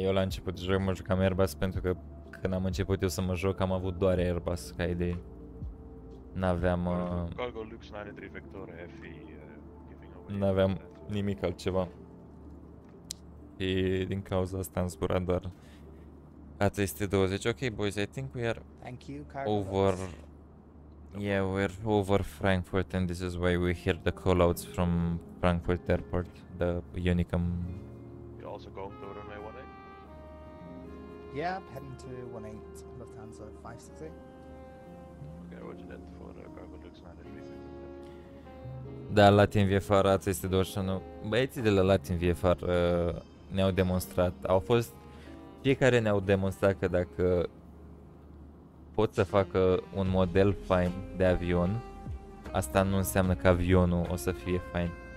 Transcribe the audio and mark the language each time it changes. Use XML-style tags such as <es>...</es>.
<ro>Eu la început de joc mă jucam Airbus pentru că când am început eu să mă joc am avut doar Airbus ca idee. N-aveam...</ro> <en>Cargo Lux 93 Vector FE...</en> <ro>N-aveam nimic altceva. Și din cauza asta am zburat doar A320.</ro> <en>Ok, boys, I think we are over... Yeah, we're over Frankfurt and this is why we hear the callouts from Frankfurt Airport, the Unicom. You're also going to runway 18? Yeah, I'm heading to 18, left hand side 560. Okay, roger that for the cargo looks like it's missing.</en> <ro>Da, Latin VFR A321. Băieții de la Latin VFR ne-au demonstrat, au fost fiecare ne-au demonstrat că dacă pot să facă un model fain de avion, asta nu înseamnă că avionul o să fie fain.</ro>